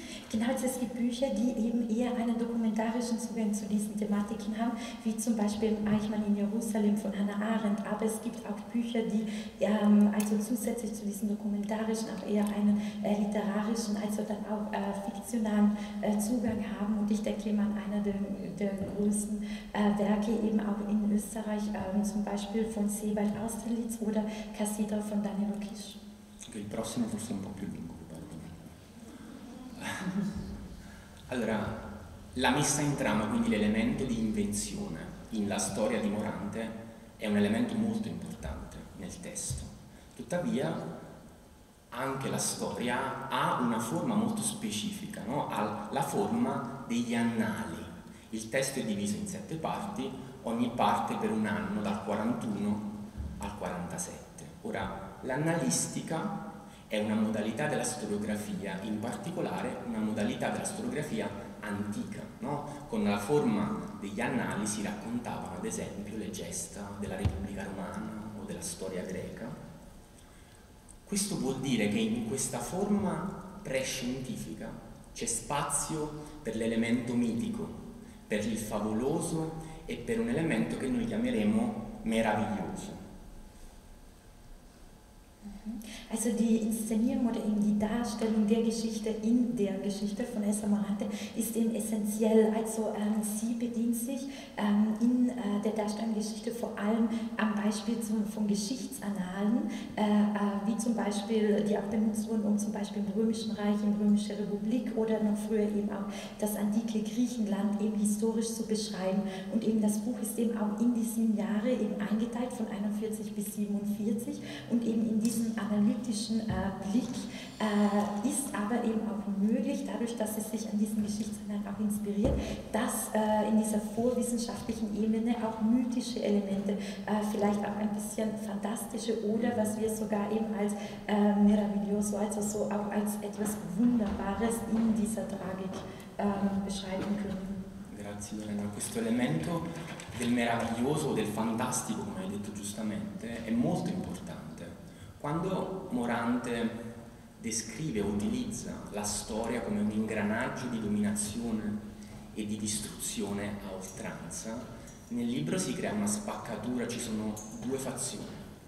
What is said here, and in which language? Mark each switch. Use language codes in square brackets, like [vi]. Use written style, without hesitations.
[de] Genau, es gibt Bücher, die eben eher einen dokumentarischen Zugang zu diesen Thematiken haben, wie zum Beispiel Eichmann in Jerusalem von Hannah Arendt, aber es gibt auch Bücher, die also zusätzlich zu diesen dokumentarischen auch eher einen literarischen, also dann auch fiktionalen Zugang haben, und ich denke eben an einer der größten Werke eben auch in Österreich, zum Beispiel von Sebald Austerlitz oder Cassidra von Danilo Kiss. [it] Il prossimo forse è un po' più lungo. Allora, la messa in trama, quindi l'elemento di invenzione in la storia di Morante, è un elemento molto importante nel testo. Tuttavia, anche la storia ha una forma molto specifica, no? Ha la forma degli annali. Il testo è diviso in 7 parti, ogni parte per un anno, dal 41 al 47. Ora, l'annalistica è una modalità della storiografia, in particolare una modalità della storiografia antica, no? Con la forma degli annali si raccontavano ad esempio le gesta della Repubblica Romana o della storia greca. Questo vuol dire che in questa forma prescientifica c'è spazio per l'elemento mitico, per il favoloso e per un elemento che noi chiameremo meraviglioso. [de] Also die Inszenierung oder eben die Darstellung der Geschichte in der Geschichte von Elsa Morante ist eben essentiell. Also sie bedient sich in der Darstellung der Geschichte vor allem am Beispiel von Geschichtsannalen, wie zum Beispiel, die auch benutzt wurden, um zum Beispiel im Römischen Reich, in Römische Republik oder noch früher eben auch das antike Griechenland eben historisch zu beschreiben. Und eben das Buch ist eben auch in die 7 Jahre eben eingeteilt, von 41 bis 47, und eben in diesem analytischen Blick ist aber eben auch möglich, dadurch, dass es sich an diesen Geschichtsanalysen auch inspiriert, dass in dieser vorwissenschaftlichen Ebene auch mythische Elemente, vielleicht auch ein bisschen fantastische oder was wir sogar eben als meraviglioso, also so auch als etwas Wunderbares in dieser Tragik beschreiben können. [it] Grazie Lorena, questo elemento del meraviglioso, del fantastico, come hai detto giustamente, è molto importante. Quando Morante descrive, utilizza la storia come un ingranaggio di dominazione e di distruzione a oltranza, nel libro si crea una spaccatura, ci sono due fazioni.